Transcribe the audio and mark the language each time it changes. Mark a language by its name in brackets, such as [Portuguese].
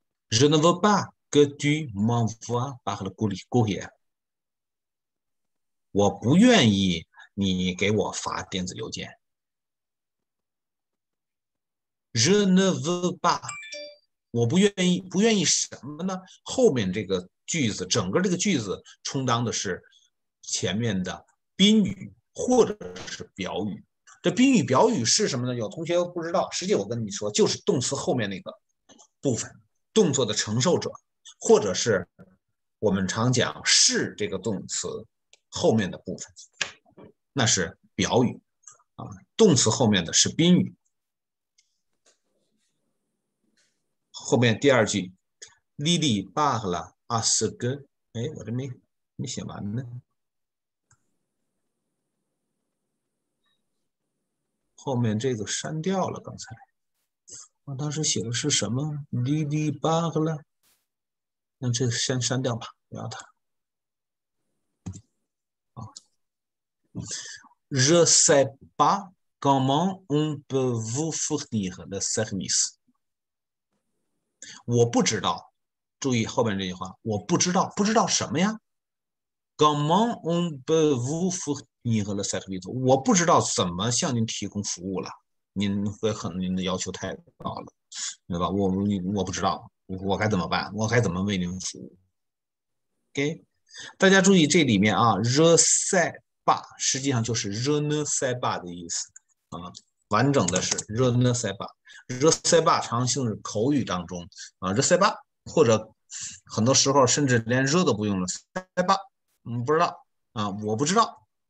[French] Je ne veux pas que tu m'envoies par le courrier, [Chinese] 我不愿意你给我发电子邮件。 [French] Je ne veux pas, [Chinese] 我不愿意，不愿意什么呢？后面这个句子，整个这个句子充当的是前面的宾语或者是表语。这宾语表语是什么呢？有同学不知道，实际我跟你说，就是动词后面那个部分，动作的承受者，或者是我们常讲是这个动词后面的部分，那是表语啊，动词后面的是宾语。后面第二句 ,Lili Bahla Asuge, 哎，我这没写完呢。后面这个删掉了，刚才我当时写的是什么 ?Lili Bahla, 那这先删掉吧，不要它。 [French] Je sais pas comment on peut vous fournir le service. [Chinese] 我不知道，注意后面这句话，我不知道，不知道什么呀？ [French] Comment on peut vous fournir le service? [Chinese] 我不知道怎么向您提供服务了。您会很，您的要求太高了，对吧？我不知道，我该怎么办？我该怎么为您服务？ OK, 大家注意这里面啊 ，je sais。实际上就是 [French] je ne sais pas [Chinese] 的意思、啊、完整的是 je ne sais pas, [French] je sais pas [Chinese] 常用是口语当中、啊、je sais pas, 或者很多时候甚至连 je 都不用了 sais pas,、嗯、不知道、啊、我不知道，